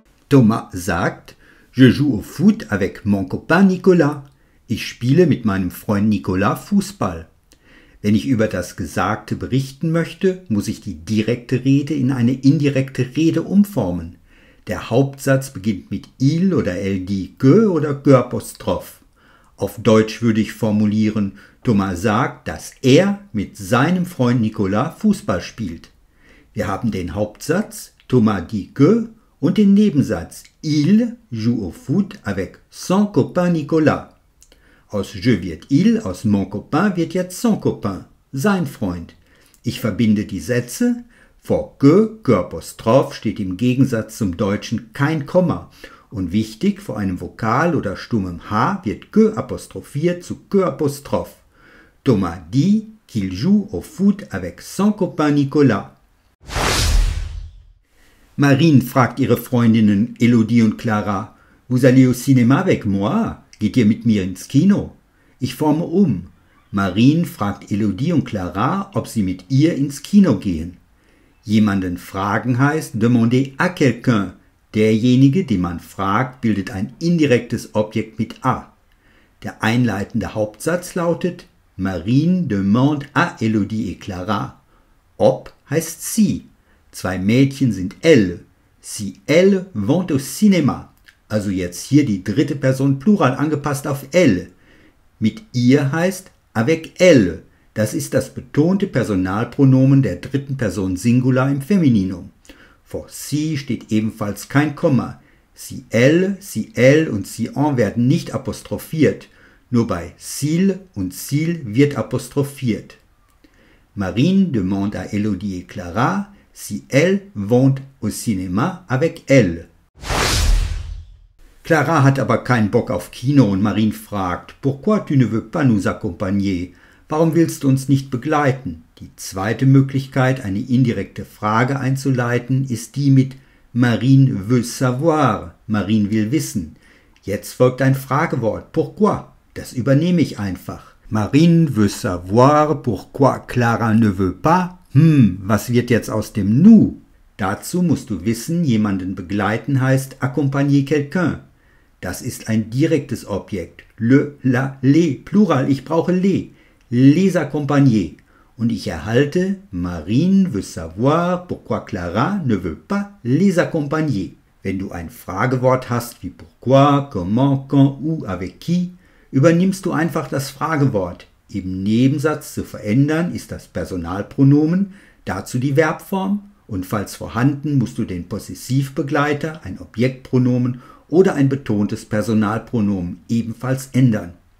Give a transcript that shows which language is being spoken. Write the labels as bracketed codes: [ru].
[de] Thomas sagt: [fr] Je joue au foot avec mon copain Nicolas. [de] Ich spiele mit meinem Freund Nicolas Fußball. Wenn ich über das Gesagte berichten möchte, muss ich die direkte Rede in eine indirekte Rede umformen. Der Hauptsatz beginnt mit il oder elle [fr] dit que [de] oder que'. Auf Deutsch würde ich formulieren, Thomas sagt, dass er mit seinem Freund Nicolas Fußball spielt. Wir haben den Hauptsatz, [fr] Thomas dit que, [de] und den Nebensatz, [fr] il joue au foot avec son copain Nicolas. [de] Aus je wird il, aus [fr] mon copain [de] wird jetzt [fr] son copain, [de] sein Freund. Ich verbinde die Sätze. Vor que steht im Gegensatz zum Deutschen kein Komma. Und wichtig, vor einem Vokal oder stummem H wird que apostrophiert zu que apostroph. [fr] Thomas dit qu'il joue au foot avec son copain Nicolas. [de] Marine fragt ihre Freundinnen Elodie und Clara: [fr] Vous allez au cinéma avec moi? [de] Geht ihr mit mir ins Kino? Ich forme um. Marine fragt Elodie und Clara, ob sie mit ihr ins Kino gehen. Jemanden fragen heißt [fr] demander à quelqu'un. [de] Derjenige, den man fragt, bildet ein indirektes Objekt mit A. Der einleitende Hauptsatz lautet [fr] Marine demande à Elodie et Clara. [de] Ob heißt sie. Zwei Mädchen sind elle. [fr] Si elle vont au cinéma. [de] Also jetzt hier die dritte Person Plural angepasst auf elle. Mit ihr heißt [fr] avec elle. [de] Das ist das betonte Personalpronomen der dritten Person Singular im Femininum. Vor sie steht ebenfalls kein Komma. [fr] Si elle [de] und [fr] si on [de] werden nicht apostrophiert. Nur bei s'il und s'il wird apostrophiert. [fr] Marine demande à Elodie et Clara si elle vont au cinéma avec elle. [de] Clara hat aber keinen Bock auf Kino und Marine fragt, [fr] pourquoi tu ne veux pas nous accompagner? [de] Warum willst du uns nicht begleiten? Die zweite Möglichkeit, eine indirekte Frage einzuleiten, ist die mit [fr] Marine veut savoir, [de] Marine will wissen. Jetzt folgt ein Fragewort, pourquoi? Das übernehme ich einfach. [fr] Marine veut savoir, pourquoi Clara ne veut pas? [de] Was wird jetzt aus dem nous? Dazu musst du wissen, jemanden begleiten heißt [fr] accompagner quelqu'un. [de] Das ist ein direktes Objekt. Le, la, les, Plural, ich brauche les. [fr] Les accompagner. [de] Und ich erhalte [fr] Marine veut savoir pourquoi Clara ne veut pas les accompagner. [de] Wenn du ein Fragewort hast wie [fr] pourquoi, comment, quand, où, avec qui, [de] übernimmst du einfach das Fragewort. Im Nebensatz zu verändern ist das Personalpronomen, dazu die Verbform. Und falls vorhanden, musst du den Possessivbegleiter, ein Objektpronomen oder ein betontes Personalpronomen ebenfalls ändern.